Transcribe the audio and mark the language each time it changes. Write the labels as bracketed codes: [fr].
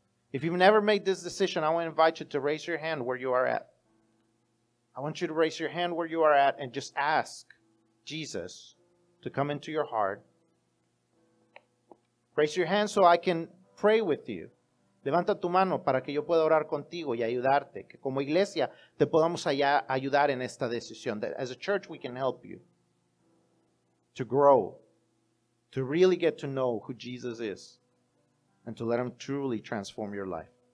[en] If you've never made this decision, I want to invite you to raise your hand where you are at. I want you to raise your hand where you are at and just ask Jesus to come into your heart. Raise your hand so I can pray with you. [es] Levanta tu mano para que yo pueda orar contigo y ayudarte. Que como iglesia te podamos ayudar en esta decisión. [en] That as a church we can help you to grow, to really get to know who Jesus is and to let him truly transform your life.